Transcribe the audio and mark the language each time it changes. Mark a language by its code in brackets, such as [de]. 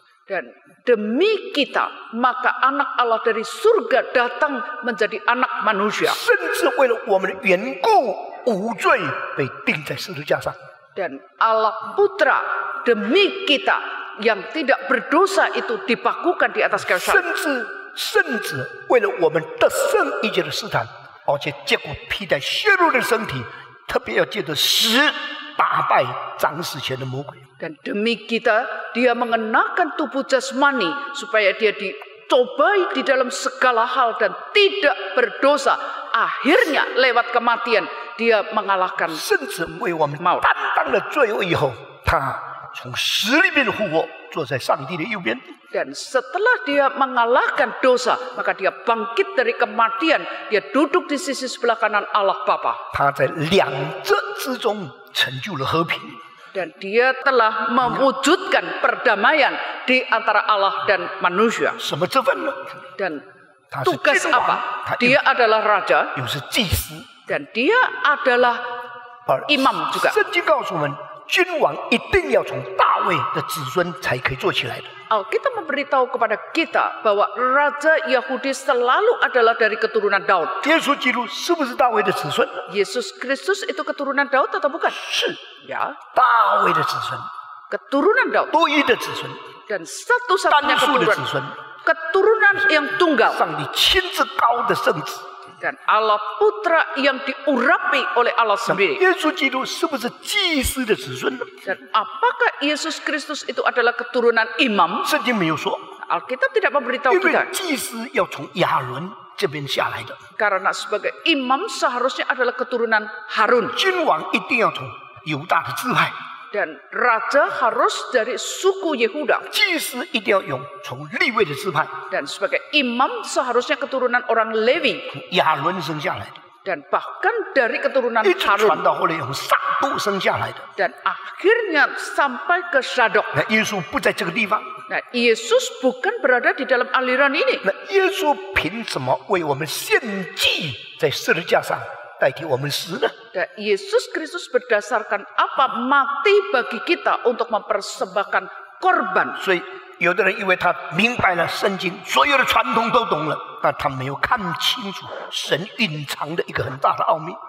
[id] Dan demi kita, maka anak Allah dari surga datang menjadi anak manusia. Dan demi kita, maka anak Allah dari surga datang menjadi anak manusia. Dan Allah Putra demi kita yang tidak berdosa itu dipakukan di atas kayu salib. [zh] 甚至为了我们得胜一切的试探，而且借故披戴血肉的身体，特别要借着死打败掌死权的魔鬼。 [id] Dan demi kita dia mengenakan tubuh jasmani supaya dia dicobai di dalam segala hal dan tidak berdosa. Akhirnya lewat kematian. Dia mengalahkan maut. [zh] 甚至为我们担当了罪恶以后，他从死里面复活，坐在上帝的右边。 [id] Dan setelah dia mengalahkan dosa, maka dia bangkit dari kematian. Dia duduk di sisi sebelah kanan Allah Bapa. [zh] 他在两者之中成就了和平。 [id] Dan dia telah mewujudkan perdamaian di antara Allah dan manusia. [zh] 什么职分呢？ [id] Dan tugas apa? Dia adalah raja. [zh] 又是祭司。 [id] Dan dia adalah imam juga. [zh] 圣经告诉我们，君王一定要从大卫的子孙才可以做起来的。 [id] Alkitab memberitahu kepada kita bahwa raja Yahudi selalu adalah dari keturunan Daud. [zh] Yesus Kristus 是不是大卫的子孙？ [id] Yesus Kristus itu keturunan Daud atau bukan? [zh] 是。 [id] Ya. [zh] 大卫的子孙。 [id] Keturunan Daud. [zh] 多一的子孙。 [id] Dan satu-satunya keturunan. Keturunan yang tunggal. [zh] 上帝亲自高的圣子。 [id] Dan Allah Putra yang diurapi oleh Allah sendiri. [zh] Yesus Kristus 是不是祭司的子孙？ [id] Dan apakah Yesus Kristus itu adalah keturunan imam? [zh] 圣经没有说。 [id] Alkitab tidak memberitahu kita. [zh] 因为祭司要从亚伦这边下来的。 [id] Karena sebagai imam seharusnya adalah keturunan Harun. [zh] 君王一定要从犹大的支派。 [id] Dan raja harus dari suku Yehuda. [zh] 祭司一定要用从利未的支派。 [id] Dan sebagai imam seharusnya keturunan orang Levi. [zh] 亚伦生下来的。 [id] Dan bahkan dari keturunan Harun. [zh] 一直传到后来用撒布生下来的。 [id] Dan akhirnya sampai ke Sadok. [zh] 那耶稣不在这个地方。 [id] Nah, Yesus bukan berada di dalam aliran ini. [zh] 那耶稣凭什么为我们献祭在十字架上？代替我们死呢？ [id] Dan Yesus Kristus berdasarkan apa mati bagi kita untuk mempersembahkan korban. [zh] 所以有的人以为他明白了圣经，所有的传统都懂了，但他没有看清楚神隐藏的一个很大的奥秘。